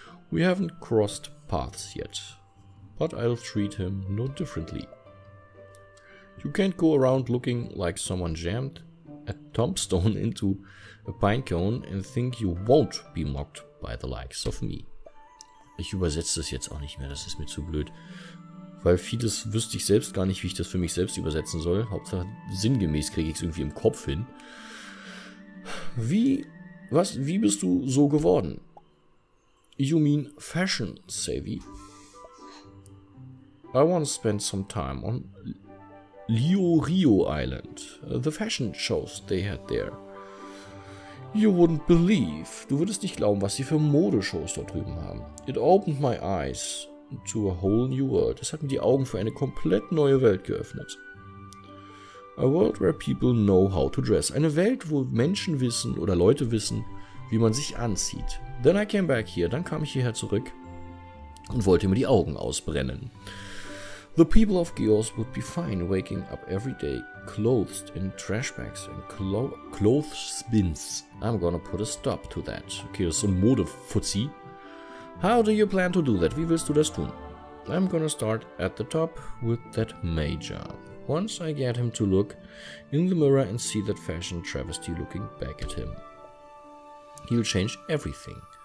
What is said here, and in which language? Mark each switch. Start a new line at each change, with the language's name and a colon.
English: We haven't crossed paths yet, but I'll treat him no differently. You can't go around looking like someone jammed a tombstone into a pine cone and think you won't be mocked by the likes of me.
German: Ich übersetze das jetzt auch nicht mehr, das ist mir zu blöd. Weil vieles wüsste ich selbst gar nicht, wie ich das für mich selbst übersetzen soll. Hauptsache sinngemäß kriege ich es irgendwie im Kopf hin. Wie bist du so geworden?
English: You mean fashion, savvy? I want to spend some time on Leo Rio Island. The fashion shows they had there. You wouldn't believe.
German: Du würdest nicht glauben, was sie für Modeshows dort drüben haben.
English: It opened my eyes to a whole new world.
German: Es hat mir die Augen für eine komplett neue Welt geöffnet.
English: A world where people know how to dress.
German: Eine Welt, wo Menschen wissen oder Leute wissen, wie man sich anzieht.
English: Then I came back here.
German: Dann kam ich hierher zurück und wollte mir die Augen ausbrennen.
English: The people of Geos would be fine waking up every day clothed in trash bags and clothes bins. I'm gonna put a stop to that.
German: Okay, das ist so ein Modefuzzi.
English: How do you plan to do that?
German: Wie willst du das tun?
English: I'm gonna start at the top with that Major. Once I get him to look in the mirror and see that fashion travesty looking back at him, he'll change everything.